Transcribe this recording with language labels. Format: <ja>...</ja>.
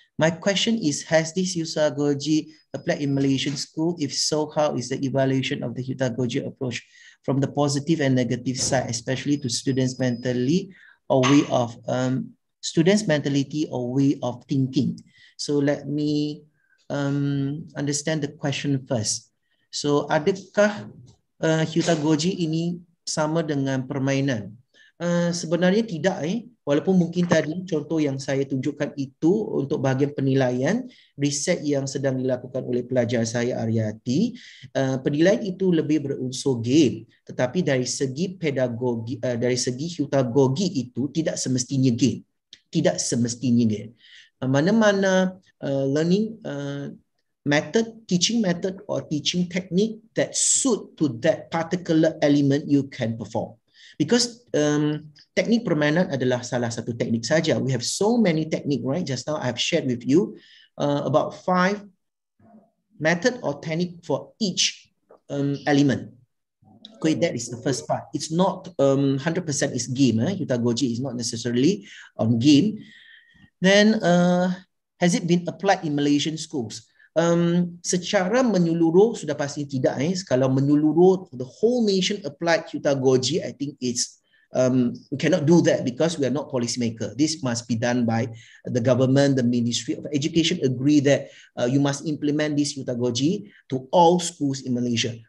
<en>My question is, has this pedagogy applied in Malaysian school? If so, how is the evaluation of the pedagogy approach from the positive and negative side, especially to students mentally or way of students mentality or way of thinking? So let me understand the question first.</en> <ms>So adakah pedagogy ini sama dengan permainan? Sebenarnya tidak eh. Walaupun mungkin tadi contoh yang saya tunjukkan itu untuk bahagian penilaian riset yang sedang dilakukan oleh pelajar saya Ariati, penilaian itu lebih berunsur game. Tetapi dari segi pedagogi, dari segi pedagogi itu tidak semestinya game. Tidak semestinya game.</ms> <en>Mana-mana learning method, teaching method or teaching technique that suit to that particular element you can perform.</en> <ms>Because teknik permainan adalah salah satu teknik saja.</ms> <en>We have so many technique, right? Just now I have shared with you about 5 method or technique for each element. Okay, that is the first part. It's not 100% is game. Eh? Pedagogy is not necessarily on game. Then has it been applied in Malaysian schools?</en> <ms>Secara menyeluruh sudah pasti tidak. Eh? Kalau menyeluruh</ms> <en>the whole nation applied pedagogy, I think it's we cannot do that because we are not policymaker. This must be done by the government, the Ministry of Education agree that you must implement this pedagogy to all schools in Malaysia.</en>